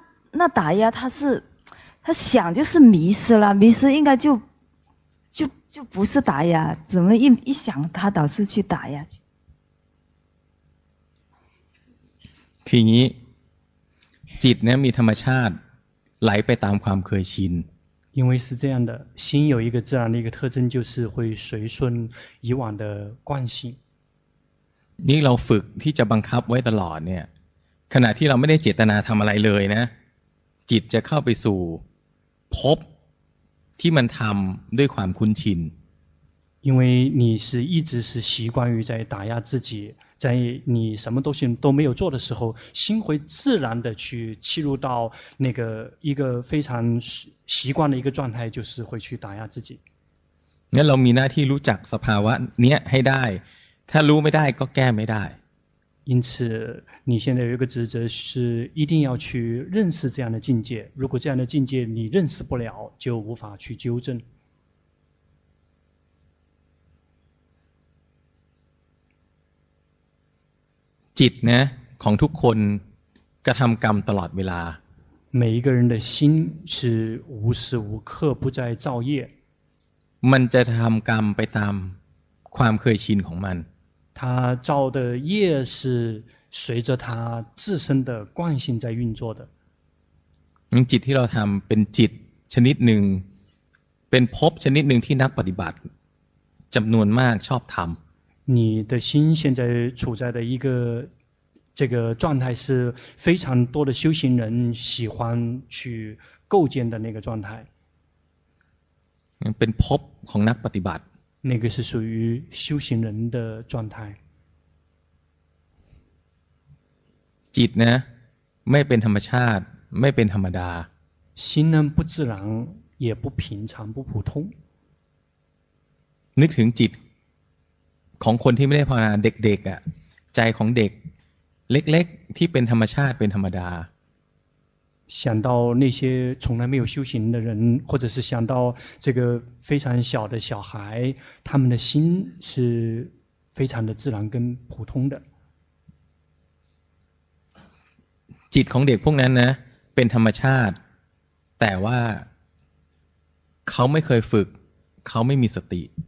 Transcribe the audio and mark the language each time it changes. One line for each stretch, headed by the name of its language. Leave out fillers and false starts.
Chinese: 那打压他是他想就是迷失了迷失应该就不是打压怎么一想他倒是去打压去
Thai: คืออย่างนี้จิตเนี่ยมีธรรมชาติไหลไปตามความเคยชิน
Chinese: 因为是这样的心有一个自然的一个特征就是会随顺以往的惯性
Thai: นี่เราฝึกที่จะบังคับไว้ตลอดเนี่ยขณะที่เราไม่ได้เจตนาทำอะไรเลยนะจิตจะเข้าไปสู่ภพที่มันทำด้วยความคุ้นชิน
Chinese: 因为你是一直是习惯于在打压自己在你什么东西都没有做的时候心会自然的去切入到那个一个非常习惯的一个状态就是会去打压自己
Thai: 那เรามีหน้าที่รู้จักสภาวะเนี้ยให้ได้ถ้ารู้ไม่ได้ก็แก้ไม่ได้
Chinese: 因此你现在有一个职责是一定要去认识这样的境界如果这样的境界你认识不了就无法去纠正
Thai: จิตนะของทุกคนกระทำกรรมตลอดเวลา
Chinese: 每一个人的心是无时无刻不在造业
Thai: มันจะทำกรรมไปตามความเคยชินของมัน
Chinese: 他造的业是随着他自身的惯性在运作的。
Thai: จิตที่เราทำเป็นจิตชนิดหนึ่งเป็นภพชนิดหนึ่งที่นักปฏิบัติจำนวนมากชอบทำ。
Chinese: 你的心现在处在的一个这个状态是非常多的修行人喜欢去构建的那个状态。
Thai: เป็นภพของนักปฏิบัติ。
Chinese: 那个是属于修行人的状态
Thai: จิตนะไม่เป็นธรรมชาติไม่เป็นธรรมดา
Chinese: 心呢不自然也不平常不普通
Thai: นึกถึงจิตของคนที่ไม่ได้ภาวนาเด็กๆอ่ะใจของเด็กเล็กๆที่เป็นธรรมชาติเป็นธรรมดา
Chinese: 想到那些从来没有修行的人或者是想到这个非常小的小孩他们的心是非常的自然跟普通的
Thai: จิตของเด็กพวกนั้นนะเป็นธรรมชาติแต่ว่าเขาไม่เคยฝึกเขาไม่มีสติ